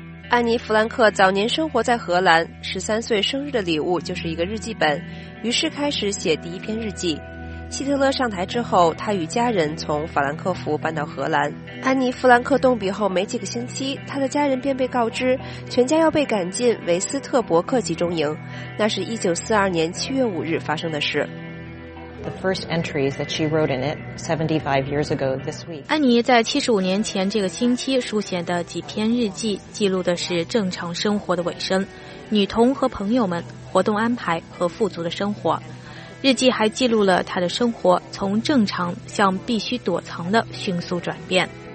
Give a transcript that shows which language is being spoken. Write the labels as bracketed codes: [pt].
[zh] 安妮·弗兰克早年生活在荷兰，13岁生日的礼物就是一个日记本，于是开始写第一篇日记。希特勒上台之后，他与家人从法兰克福搬到荷兰。安妮·弗兰克动笔后没几个星期，他的家人便被告知全家要被赶进维斯特伯克集中营，那是1942年7月5日发生的事。 [en] The first entries that she wrote in it 75 years ago this week. [zh] 安妮在75年前这个星期书写的几篇日记，记录的是正常生活的尾声，女童和朋友们，活动安排和富足的生活。日记还记录了她的生活从正常向必须躲藏的迅速转变。